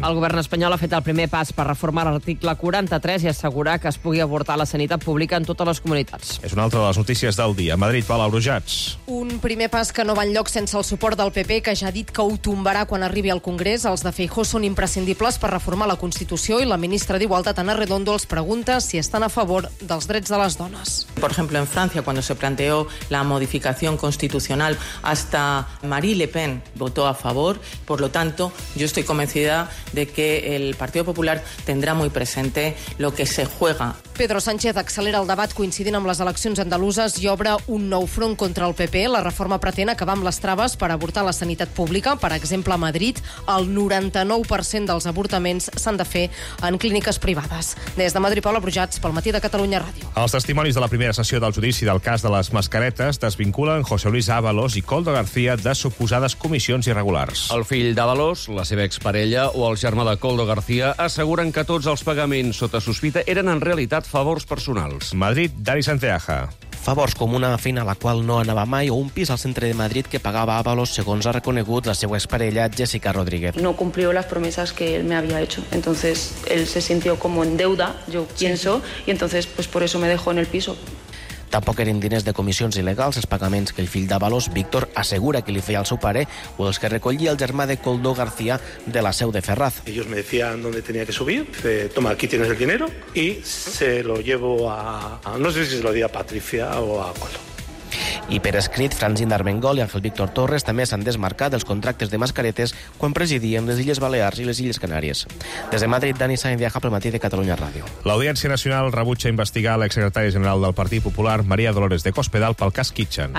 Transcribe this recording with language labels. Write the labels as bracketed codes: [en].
[ca] El govern espanyol ha fet el primer pas per reformar l'article 43 i assegurar que es pugui avortar la sanitat pública en totes les comunitats. És una altra de les notícies del dia. Madrid Palaurujats. Un primer pas que no va enlloc sense el suport del PP, que ja ha dit que ho tombarà quan arribi al Congrés. Els de Feijóo són imprescindibles per reformar la Constitució i la ministra d'Igualtat, Ana Redondo, els pregunta si estan a favor dels drets de les dones. [es] Por ejemplo, en Francia, cuando se planteó la modificación constitucional, hasta Marie Le Pen votó a favor. Por lo tanto, yo estoy convencida de que el Partido Popular tendrá muy presente lo que se juega. [ca] Pedro Sánchez accelera el debat coincidint amb les eleccions andaluses i obre un nou front contra el PP. La reforma pretén acabar amb les traves per avortar la sanitat pública. Per exemple, a Madrid, el 99% dels avortaments s'han de fer en clíniques privades. Des de Madrid, Paula Brujats, pel matí de Catalunya Ràdio. Els testimonis de la primera sessió del judici del cas de les mascaretes desvinculen José Luis Ábalos i Coldo García de suposades comissions irregulars. El fill d'Ábalos, la seva exparella o el germà de Coldo García asseguren que tots els pagaments sota sospita eren en realitat favors personals. Madrid, Dani Santeaja. Favors com una feina a la qual no anava mai o un pis al centre de Madrid que pagava Ábalos, segons ha reconegut la seva exparella Jessica Rodríguez. [es] No cumplió las promesas que él me había hecho. Entonces, él se sintió como en deuda, yo pienso, y entonces, pues por eso me dejó en el piso. [ca] Tampoc eren diners de comissions il·legals els pagaments que el fill d'Avalos, Víctor, assegura que li feia al seu pare o els que recollia el germà de Coldo García de la seu de Ferraz. [es] Ellos me decían dónde tenía que subir. Toma, aquí tienes el dinero y se lo llevo a... No sé si se lo di a Patricia o a Coldo. [ca] I per escrit, Francín d'Armengol i Ángel Víctor Torres també s'han desmarcat dels contractes de mascaretes quan presidien les Illes Balears i les Illes Canàries. Des de Madrid, Dani Sáenz viaja pel matí de Catalunya Ràdio. L'Audiència Nacional rebutja investigar l'exsecretari general del Partit Popular, Maria Dolores de Cospedal, pel cas Kitchen.